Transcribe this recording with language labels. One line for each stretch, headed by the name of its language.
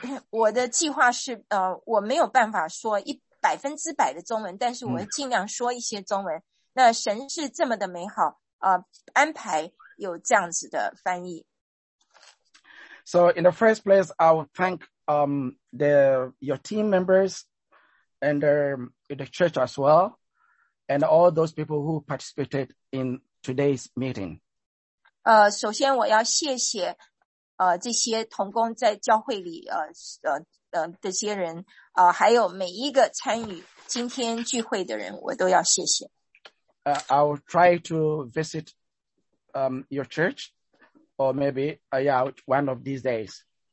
Chinese: 我的计划是我没有办法说100%的中文，但是我会尽量说一些中文。那神是这么的美好，安排有这样子的翻译。
English: So in the first place, I will thank your team members and the church as well, and all those people who participated in today's meeting.
Chinese: 首先我要谢谢这些同工在教会里这些人还有每一个参与今天聚会的人，我都要谢谢。
English: I'll try to visit your church, or maybe yeah, one of these days.